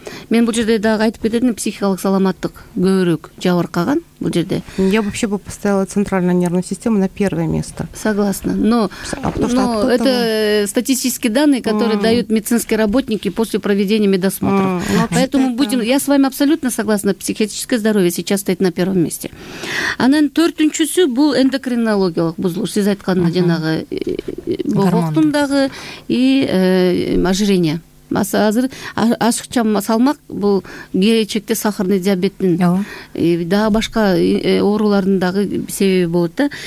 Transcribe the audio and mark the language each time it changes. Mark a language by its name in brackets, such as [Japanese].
[Kyrgyz] Мен бул жерде дагы айтып кетедим, психикалык саламаттык көбүрөөк жабыркаган бул жерде. [Russian] Я вообще бы поставила центральную нервную систему на первое место. Согласна. Но, это статистические данные, которые дают медицинские работники после проведения медосмотров. Поэтому будем, я с вами абсолютно согласна, психическое здоровье сейчас стоит на первом месте. [Kyrgyz] Анан төртүнчүсү бул эндокринологиялык бузулуш, сиз айтканда жанагы гормон дагы [Russian] и ожирение. [Kyrgyz] Азыр ашыкча салмак бул келечекте сахарный диабеттин дагы башка оорулардын дагы себеби болот да.